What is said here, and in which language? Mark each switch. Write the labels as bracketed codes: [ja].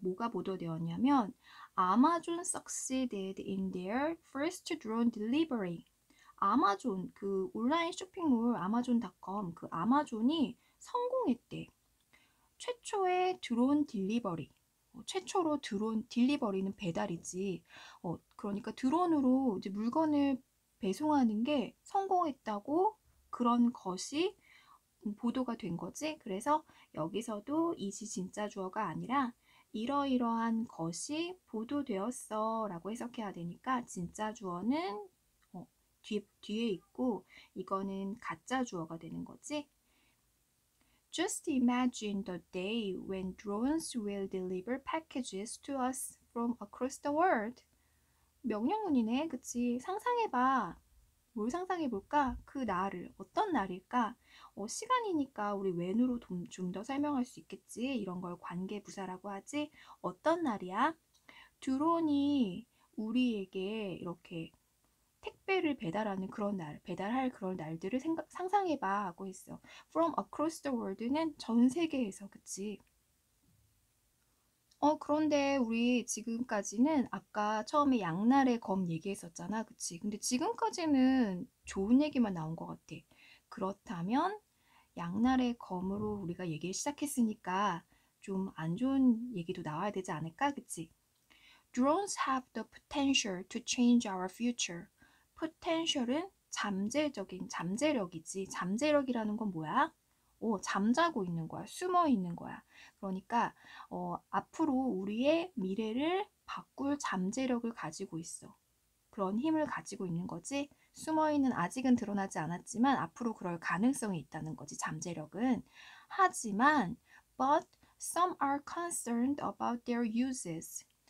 [ko] 뭐가 보도되었냐면, [en] Amazon succeeded in their first drone delivery. [ko] 아마존, 그 온라인 쇼핑몰 아마존.com, 그 아마존이 성공했대. 최초의 드론 딜리버리. 최초로 드론 딜리버리는 배달이지. 그러니까 드론으로 이제 물건을 배송하는 게 성공했다고 그런 것이 보도가 된 거지. 그래서 여기서도 이지 진짜 주어가 아니라 이러이러한 것이 보도되었어 라고 해석해야 되니까 진짜 주어는 뒤에 있고 이거는 가짜 주어가 되는 거지. [en] Just imagine the day when drones will deliver packages to us from across the world. [ko] 명령문이네, 그치? 상상해봐. 뭘 상상해볼까? 그 날을. 어떤 날일까? 시간이니까 우리 when으로 좀더 설명할 수 있겠지? 이런 걸 관계부사라고 하지? 어떤 날이야? 드론이 우리에게 이렇게 택배를 배달하는 그런 날, 배달할 그런 날들을 상상해봐 하고 있어. [en] From across the world는 [ko] 전 세계에서, 그치? 그런데 우리 지금까지는 아까 처음에 양날의 검 얘기했었잖아, 그치? 근데 지금까지는 좋은 얘기만 나온 것 같아. 그렇다면 양날의 검으로 우리가 얘기를 시작했으니까 좀안 좋은 얘기도 나와야 되지 않을까, 그치? [en] Drones have the potential to change our future. [ko] Potential은 잠재적인 잠재력이지. 잠재력이라는 건 뭐야? 잠자고 있는 거야. 숨어 있는 거야. 그러니까 앞으로 우리의 미래를 바꿀 잠재력을 가지고 있어. 그런 힘을 가지고 있는 거지. 숨어 있는 아직은 드러나지 않았지만 앞으로 그럴 가능성이 있다는 거지. 잠재력은. 하지만 [en] but some are concerned about their uses.